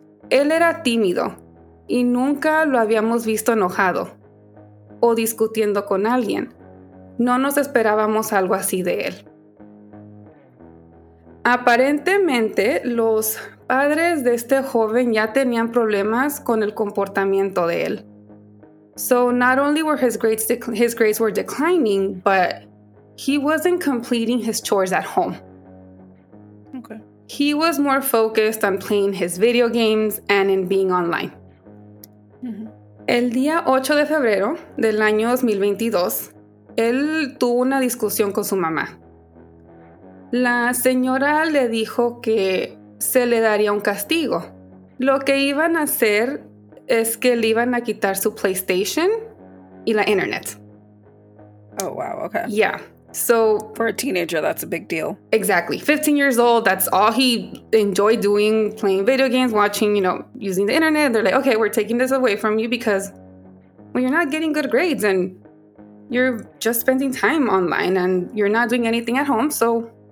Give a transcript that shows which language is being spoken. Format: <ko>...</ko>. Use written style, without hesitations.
<es>Él era tímido y nunca lo habíamos visto enojado o discutiendo con alguien. No nos esperábamos algo así de él. Aparentemente, los padres de este joven ya tenían problemas con el comportamiento de él.</es> <en>So not only were his grades were declining, but he wasn't completing his chores at home. Okay. He was more focused on playing his video games and in being online. Mm-hmm.</en> <es>El día 8 de febrero del año 2022, él tuvo una discusión con su mamá. La señora le dijo que se le daría un castigo. Lo que iban a hacer es que le iban a quitar su PlayStation y la internet.</es> <en>Oh, wow, okay. Yeah, so... For a teenager, that's a big deal. Exactly. 15 years old, that's all he enjoyed doing, playing video games, watching, you know, using the internet. They're like, okay, we're taking this away from you because well, you're not getting good grades and you're just spending time online and you're not doing anything at home, so...</en>